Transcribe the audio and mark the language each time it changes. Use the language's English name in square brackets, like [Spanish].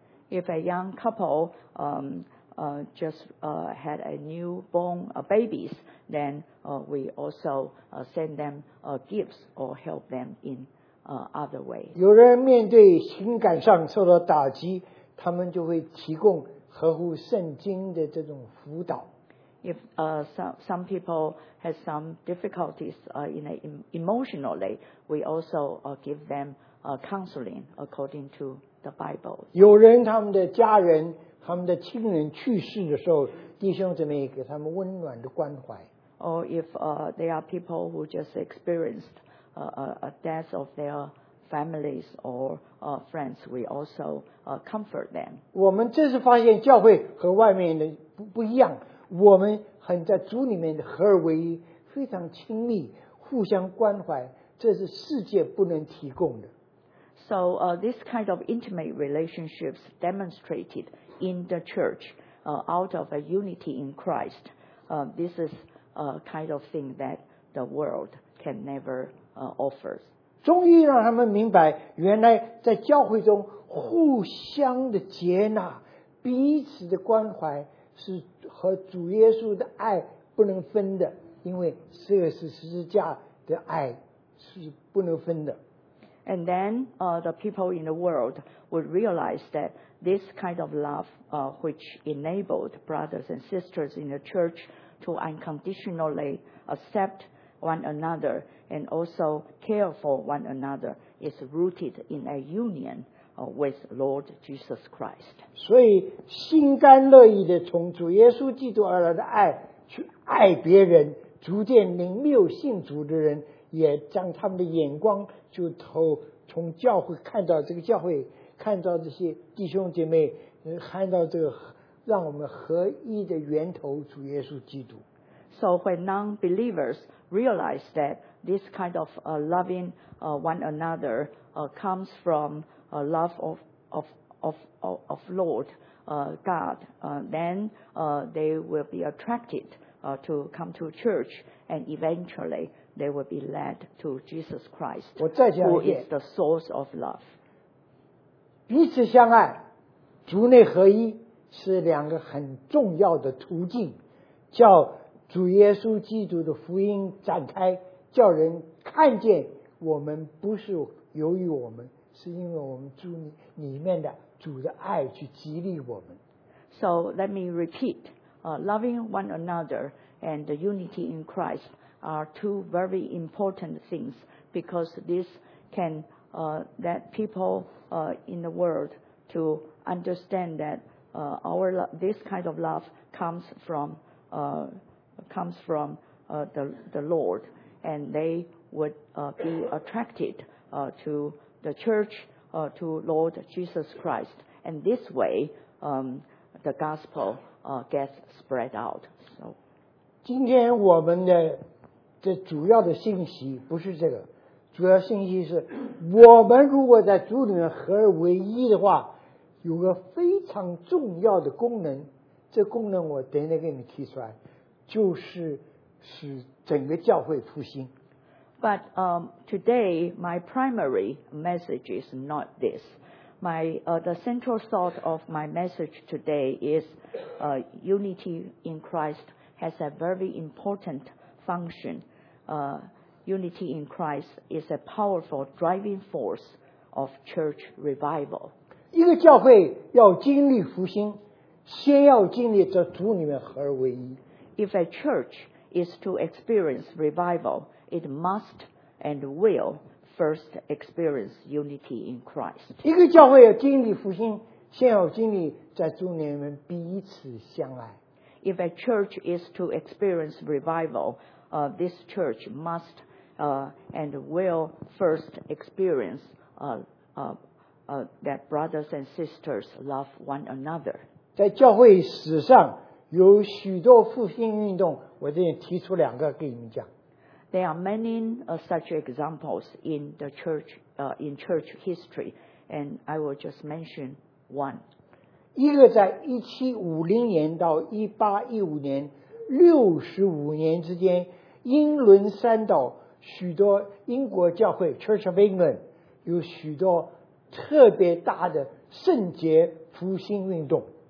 [English] If a young couple had a newborn babies, then we also send them gifts or help them in other way. [Chinese] 有人面对情感上受到打击，他们就会提供合乎圣经的这种辅导。 [English] If some people have some difficulties emotionally, we also give them counseling according to the Bible. [Chinese] 有人他们的家人，他们的亲人去世的时候，弟兄姊妹给他们温暖的关怀。 [English] Or if there are people who just experienced a death of their families or friends, we also comfort them. [Chinese] 我们这是发现教会和外面的 不一样，我们很在主里面的合而为一，非常亲密，互相关怀，这是世界不能提供的。 [English] So this kind of intimate relationships demonstrated in the church out of a unity in Christ. This is a kind of thing that the world can never offer. [Chinese] 终于让他们明白，原来在教会中互相的接纳，彼此的关怀是和主耶稣的爱不能分的，因为这个是十字架的爱是不能分的。 [English] And then the people in the world would realize that this kind of love which enabled brothers and sisters in the church to unconditionally accept one another and also care for one another is rooted in a union with Lord Jesus Christ. [Chinese] 所以心甘乐意的从主耶稣基督而来的爱去爱别人，逐渐灵谬信主的人也将他们的眼光就投从教会，看到这个教会，看到这些弟兄姐妹，看到这个让我们合一的源头主耶稣基督。 [English] So when non-believers realize that this kind of loving one another comes from a love of Lord God, then they will be attracted to come to church, and eventually they will be led to Jesus Christ, who is the source of love. [Chinese] 彼此相爱，主内合一是两个很重要的途径，叫主耶稣基督的福音展开，叫人看见我们不是由于我们，是因为我们主里面的主的爱去激励我们。 [English] So let me repeat, loving one another and the unity in Christ are two very important things, because this can let people in the world to understand that this kind of love comes from the Lord, and they would be attracted to the church, to Lord Jesus Christ, and this way the gospel gets spread out. So, [Chinese] 今天我们的这主要的信息不是这个，主要信息是我们如果在主里面合而为一的话，有个非常重要的功能，这功能我等一下给你们提出来，就是使整个教会复兴。 [English] But today my primary message is not this. My the central thought of my message today is unity in Christ has a very important function. Unity in Christ is a powerful driving force of church revival. [Chinese] 一个教会要经历复兴，先要经历在主里面合而为一。 [English] If a church is to experience revival, it must and will first experience unity in Christ. [Chinese] 一个教会要经历复兴，先要经历在主里面彼此相爱。 [English] If a church is to experience revival, this church must and will first experience that brothers and sisters love one another. [Chinese] 在教会史上有许多复兴运动，我这里提出两个给你们讲。 [English] There are many such examples in the church in church history, and I will just mention one. [Chinese] 一个在1750年到1815年65年之间，英伦三岛许多英国教会 Church of England 有许多特别大的圣洁复兴运动。